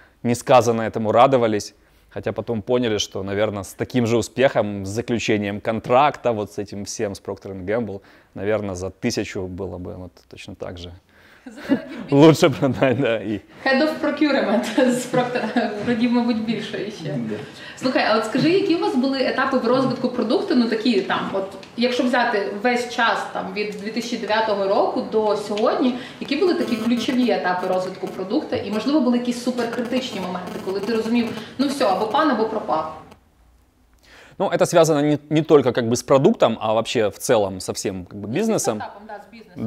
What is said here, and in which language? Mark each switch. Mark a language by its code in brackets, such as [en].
[ru] Несказанно этому радовались, хотя потом поняли, что, наверное, с таким же успехом, с заключением контракта, вот с этим всем, с Procter & Gamble, наверное, за 1000 было бы вот точно так же. Лучше продать, да. І... [en] Head of procurement [uk] з Procter, продів, мабуть, більше ще. Слухай, а от скажи, які у вас були етапи в розвитку продукту, ну такі там, от, якщо взяти весь час там, від 2009 року до сьогодні, які були такі ключові етапи розвитку продукту, і, можливо, були якісь суперкритичні моменти, коли ти розумів, ну все, або пан, або пропав. [ru] Ну, это связано не только как бы с продуктом, а вообще в целом со всем как бы бизнесом. С стартапом, да, с бизнесом.